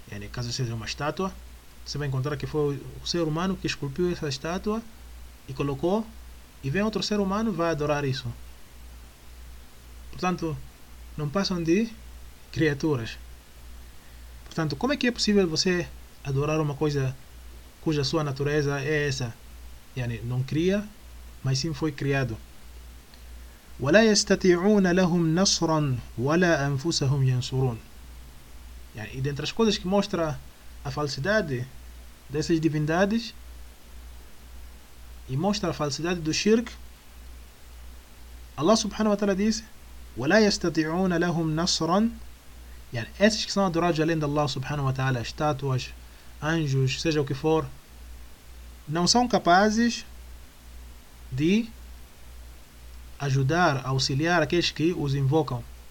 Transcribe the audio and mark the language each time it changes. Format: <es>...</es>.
<pt>caso seja uma estátua, você vai encontrar que foi o ser humano que esculpiu essa estátua e colocou, e vem outro ser humano e vai adorar isso. Portanto, não passam de criaturas. Portanto, como é que é possível você adorar uma coisa cuja sua natureza é essa, yani não cria, mas sim foi criado.</pt> <ar>ولا يستطيعون لهم نصرا ولا أنفسهم ينصرون.</ar> <pt>Yani, e dentre as coisas que mostra a falsidade dessas divindades e mostra a falsidade do shirk, Allah subhanahu wa ta'ala diz:</pt> <ar>ولا يستطيعون لهم نصرا.</ar> <pt>Yani, esses que são adorados além de Allah subhanahu wa ta'ala, estátuas, anjos, seja o que for, não são capazes de ajudar, auxiliar aqueles que os invocam.</pt>